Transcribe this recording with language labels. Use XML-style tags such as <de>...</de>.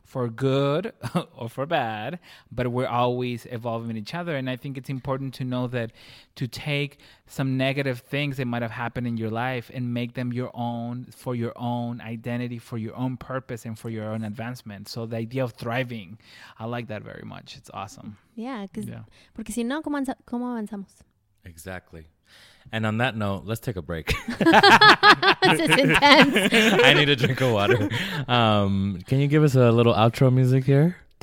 <en>For good or for bad, but we're always evolving each other. And I think it's important to know that to take some negative things that might have happened in your life and make them your own for your own identity, for your own purpose, and for your own advancement. So the idea of thriving, I like that very much. It's awesome.</en> <es>Yeah, porque si no, ¿cómo avanzamos?</es> <en>Exactly. And on that note, let's take a break. This is intense. I need a drink of water. Can you give us a little outro music here?</en>